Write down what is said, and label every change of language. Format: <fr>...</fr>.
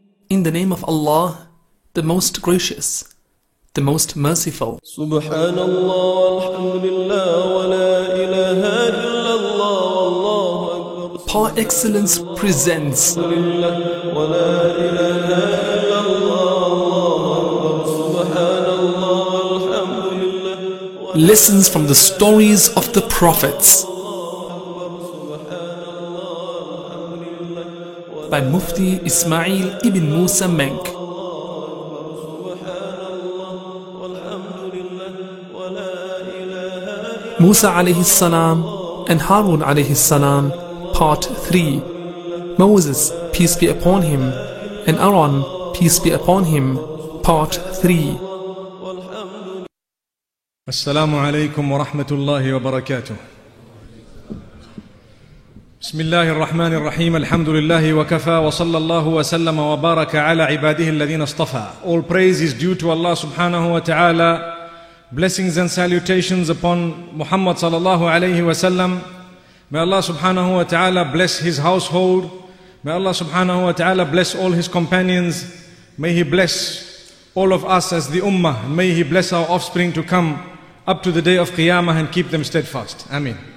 <en>In the name of Allah, the most gracious, the most merciful.</en> <ar>سبحان الله والحمد لله ولا إله إلا الله والله أكبر.</ar> <en>Par excellence presents. Lessons from the stories of the prophets by Mufti Ismail ibn Musa Menk. Musa alayhi salam and Harun alayhi salam, part 3. Moses, peace be upon him, and Aaron, peace be upon him, part 3.</en> <ar>السلام عليكم ورحمة الله وبركاته. بسم الله الرحمن الرحيم. الحمد لله وكفى وصلى الله وسلم وبارك على عباده الذين اصطفى.</ar> <en>All praise is due to Allah subhanahu wa ta'ala. Blessings and salutations upon Muhammad</en> <ar>صلى الله عليه وسلم.</ar> <en>May Allah subhanahu wa ta'ala bless his household. May Allah subhanahu wa ta'ala bless all his companions. May he bless all of us as the ummah. May he bless our offspring to come up to the day of Qiyamah and keep them steadfast. Ameen.</en>